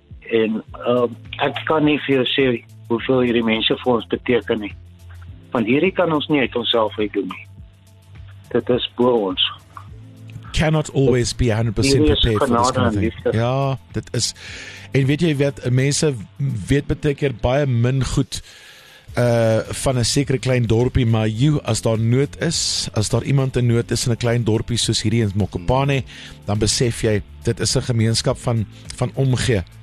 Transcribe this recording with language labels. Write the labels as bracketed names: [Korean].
[Afrikaans] En ek kan nie vir jou sê hoeveel hierdie mense vir ons beteken nie. Want hierdie kan ons nie uit onszelf uit doen nie. Dit is bo ons. [English] Cannot always be 100% prepared for this kind of thing. [Afrikaans] Ja, dit is. En weet jy, mense weet beteken baie min goed van 'n sekere klein dorpie, maar jy, as daar nood is, as daar iemand in nood is in 'n klein dorpie soos hierdie in Mokopane, dan besef jy, dit is 'n gemeenskap van omgee.